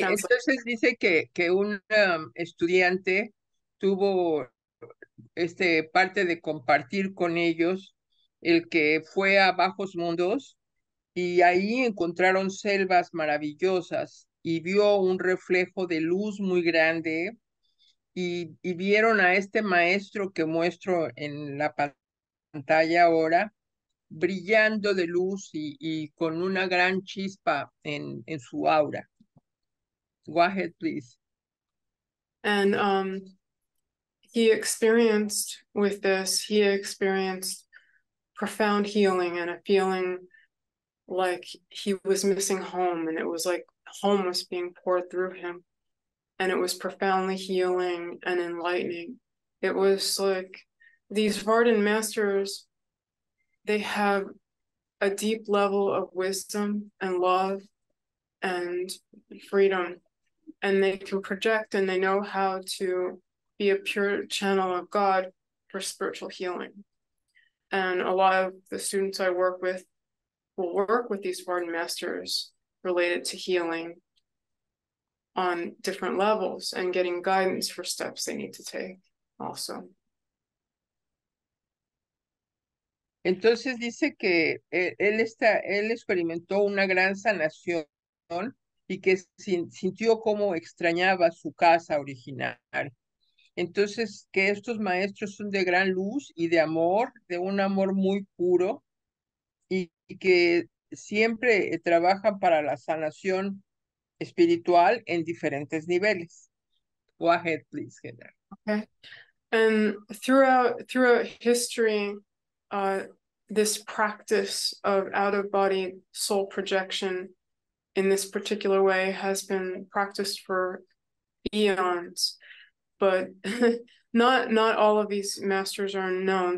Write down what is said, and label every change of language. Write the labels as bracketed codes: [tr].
[es] Sí, entonces dice que un estudiante tuvo este parte de compartir con ellos el que fue a bajos mundos y ahí encontraron selvas maravillosas y vio un reflejo de luz muy grande. Y vieron a este maestro que muestro en la pantalla ahora, brillando de luz y con una gran chispa en su aura. [en] Go ahead, please. And he experienced with this, he experienced profound healing and a feeling like he was missing home, and it was like home was being poured through him. And it was profoundly healing and enlightening. It was like these Varden masters, they have a deep level of wisdom and love and freedom. And they can project and they know how to be a pure channel of God for spiritual healing. And a lot of the students I work with will work with these Varden masters related to healing on different levels and getting guidance for steps they need to take also. [es] Entonces dice que él experimentó una gran sanación y que sintió como extrañaba su casa original. Entonces que estos maestros son de gran luz y de amor, de un amor muy puro y que siempre trabajan para la sanación espiritual en diferentes niveles. [en] Go ahead, please, Heather. Okay. And throughout history, this practice of out-of-body soul projection in this particular way has been practiced for eons. But not all of these masters are known.